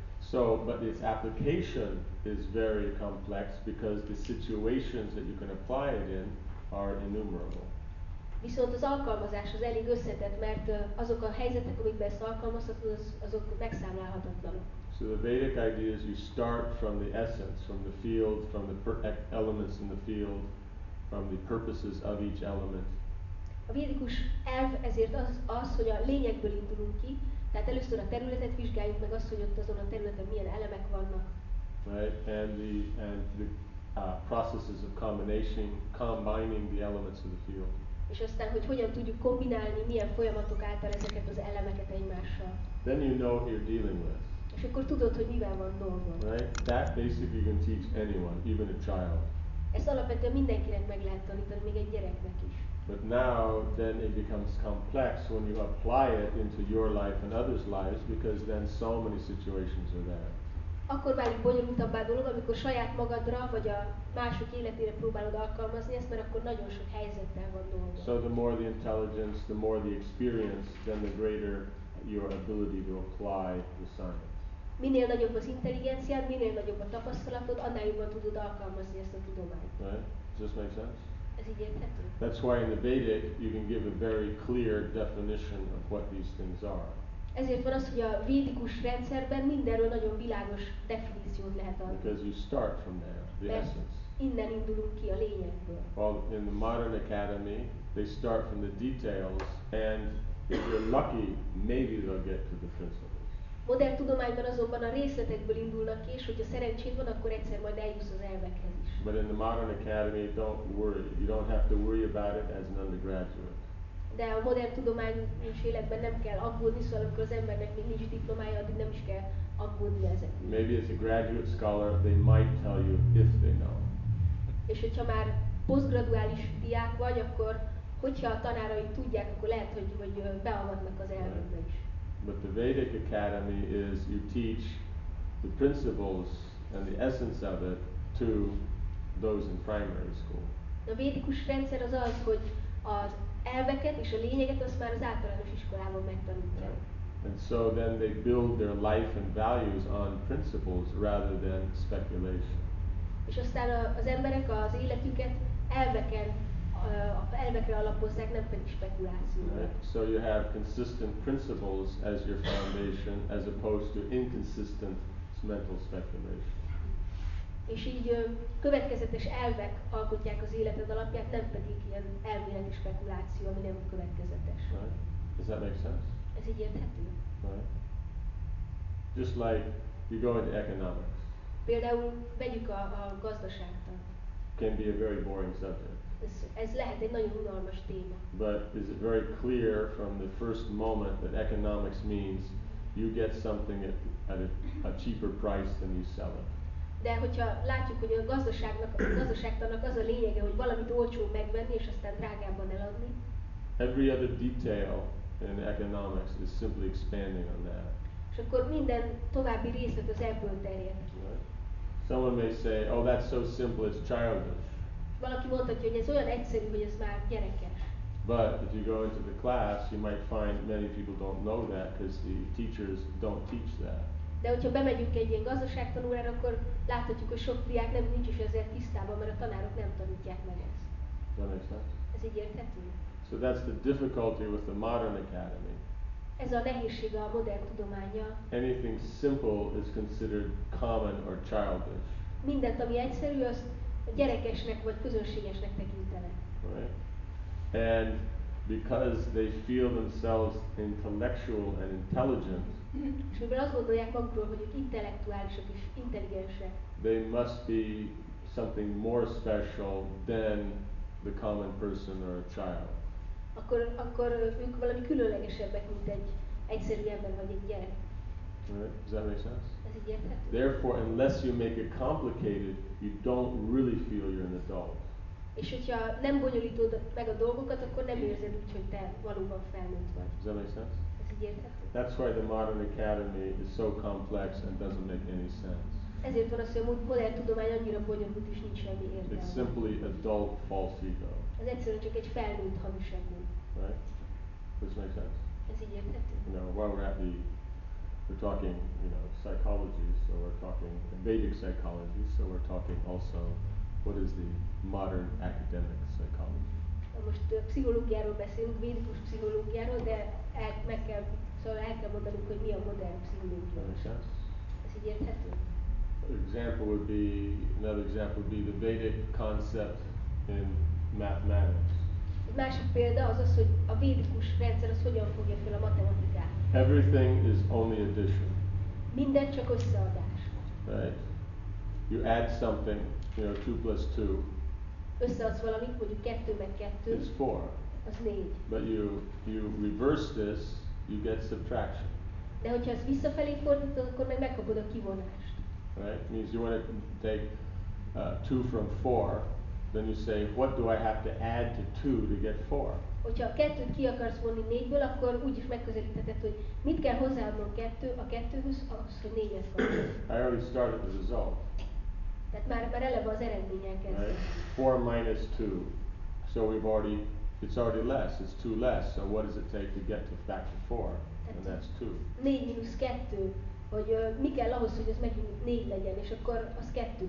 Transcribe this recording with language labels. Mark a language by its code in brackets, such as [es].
[en] So, but its application is very complex because the situations that you can apply it in are innumerable. [hu] Viszont az alkalmazás az elég összetett, mert azok a helyzetek, amikben ezt alkalmazhatod, azok megszámlálhatatlanok. [en] So the Vedic idea is you start from the essence, from the field, from the elements in the field, from the purposes of each element. [hu] A védikus elv ezért az, hogy a lényegből indulunk ki, tehát először a területet vizsgáljuk meg azt, hogy ott azon a területen milyen elemek vannak. [en] Right, and the processes of combining the elements of the field. [hu] És aztán, hogy hogyan tudjuk kombinálni, milyen folyamatok által ezeket az elemeket egymással. [en] Then you know what you're dealing with. [hu] És akkor tudod, hogy mivel van dolgod. [en] Right, that basically you can teach anyone, even a child. [hu] Ezt alapvetően mindenkinek meg lehet tanítani, még egy gyereknek is. [en] But now, then it becomes complex when you apply it into your life and others' lives, because then so many situations are there. [hu] Akkor válik bonyolultabbá dolog, amikor saját magadra vagy a mások életére próbálod alkalmazni ezt, mert akkor nagyon sok helyzettel van dolgod. [en] So the more the intelligence, the more the experience, then the greater your ability to apply the science. [hu] Minél nagyobb az intelligenciád, minél nagyobb a tapasztalatod, annál jobban tudod alkalmazni ezt a tudományt. [en] Right? Does this make sense? [hu] Ez így érthető? [en] That's why in the Vedic you can give a very clear definition of what these things are. [hu] Ezért van az, hogy a védikus rendszerben mindenről nagyon világos definíciót lehet adni. [en] Because you start from there, the essence. [hu] Innen indulunk ki a lényegből. [en] Well, in the modern academy, they start from the details, and if you're lucky, maybe they'll get to the principles. [hu] Modern tudományban azonban a részletekből indulnak ki, és hogyha szerencséd van, akkor egyszer majd eljussz az elvekhez is. [en] But in the modern academy, don't worry. You don't have to worry about it as an undergraduate. [hu] De a modern tudomány nincs életben, nem kell aggódni, szóval amikor az embernek még nincs diplomája, addig nem is kell aggódni ezeket. [en] Maybe as a graduate scholar, they might tell you if they know. [hu] És hogyha már posztgraduális diák vagy, akkor hogyha a tanáraid tudják, akkor lehet, hogy beavatnak az elvekbe is. [en] But the Vedic Academy is you teach the principles and the essence of it to those in primary school. [hu] A védikus rendszer az az, hogy az elveket és a lényeget azt már az általános iskolában megtanítják. [en] And so then they build their life and values on principles rather than speculation. [hu] És aztán az emberek az életüket elvekre alapozzák, nem pedig spekulációra. [en] Right. So you have consistent principles as your foundation, as opposed to inconsistent mental speculation. [hu] És így következetes elvek alkotják az életed alapját, nem pedig ilyen elméleti spekuláció, ami nem következetes. [en] Right. Does that make sense? [hu] Ez így érthető. [en] Right. Just like you go into economics. [hu] Például vegyük a gazdaságtan. [en] Can be a very boring subject. [hu] Ez lehet egy nagyon unalmas téma. [en] But is it very clear from the first moment that economics means you get something at a cheaper price than you sell it? [hu] De hogyha látjuk, hogy a gazdaságtannak az a lényege, hogy valamit olcsó megvenni és aztán drágábban eladni. [en] Every other detail in economics is simply expanding on that. [hu] És akkor minden további részlet az ebből terjed. [en] Someone may say, oh, that's so simple, it's childish. [hu] Valaki mondhatja, hogy ez olyan egyszerű, hogy ez már gyerekes. [en] But if you go into the class, you might find many people don't know that because the teachers don't teach that. [hu] De hogyha bemegyünk egy ilyen gazdaságtanórára, akkor láthatjuk, hogy sok diák nem nincs is ezért tisztában, mert a tanárok nem tanítják meg ezt. [en] That makes sense. [hu] Ez így érthető. [en] So that's the difficulty with the modern academy. [hu] Ez a nehézség a modern tudománnyal. [en] Anything simple is considered common or childish. [hu] Mindent, ami egyszerű, az a gyerekesnek vagy közönségesnek tekintenek. [en] Right. And because they feel themselves intellectual and intelligent. [hu] És mivel azt gondolják magukról, hogy ők intellektuálisak és intelligensek. [en] They must be something more special than the common person or a child. [hu] Akkor ők valami különlegesebbek, mint egy egyszerű ember vagy egy gyerek. [en] Right. Does that make sense? [hu] Ez így érthető. [en] Therefore, unless you make it complicated, you don't really feel you're an adult. [hu] És hogyha nem bonyolítod meg a dolgokat, akkor nem érzed úgy, hogy te valóban felnőtt vagy. [en] Does that make sense? [hu] Ez így érthető. [en] That's why the modern academy is so complex and doesn't make any sense. [hu] Ezért van az, hogy a modern tudomány annyira bonyolult és nincs semmi értelme. [en] It's simply adult false ego. [hu] Ez egyszerűen csak egy felnőtt hamis ego. [en] Right? Does that make sense? [hu] Ez így érthető. [en] No, while we're at the we're talking, you know, psychology, so we're talking Vedic psychology, so we're talking also what is the modern academic psychology. [hu] Most pszichológiáról beszélünk, védikus pszichológiáról, de el kell mondanunk, hogy mi a modern pszichológia. Ez így érthető? [en] Another example would be the Vedic concept in mathematics. [hu] másik példa az az, hogy a védikus rendszer az hogyan fogja fel a matematikát. [en] Everything is only addition. [hu] Minden csak összeadás. [en] Right. You add something, you know, 2 plus 2. [hu] Összeadsz valamit, mondjuk 2 meg 2. [en] It's 4. [hu] Az 4. [en] But you reverse this, you get subtraction. [hu] De hogyha ezt visszafelé fordítod, akkor meg megkapod a kivonást. [en] Right. It means you want to take 2 from 4. Then you say, what do I have to add to 2 to get 4? [hu] Hogyha a kettőt ki akarsz vonni négyből, akkor úgy is megközelítheted, hogy mit kell hozzáadnom a kettőhöz, ahhoz, hogy négyhez [en] I already started the result. [hu] Tehát már eleve az eredménnyel kezdve. [en] Right? 4 minus 2. So we've already, it's already less, it's 2 less. So what does it take to get to back to 4? And that's 2. 4 minus 2. [hu] Hogy mi kell ahhoz, hogy ez megint 4 legyen, és akkor az 2.